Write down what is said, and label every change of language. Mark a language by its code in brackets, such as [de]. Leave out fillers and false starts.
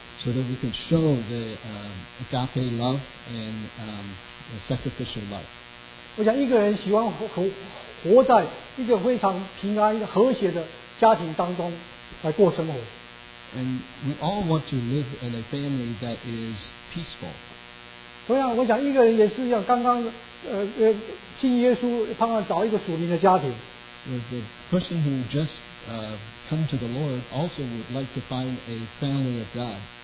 [en] So that we can show the agape love and sacrificial love. [zh] 我想一个人喜欢活在一个非常平安、和谐的家庭当中来过生活。 [en] And we all want to live in a family that is peaceful. 同样，我想一个人也是一样，刚刚。信耶稣，盼望找一个属灵的家庭。 So the person who just come to the Lord also would like to find a family of God.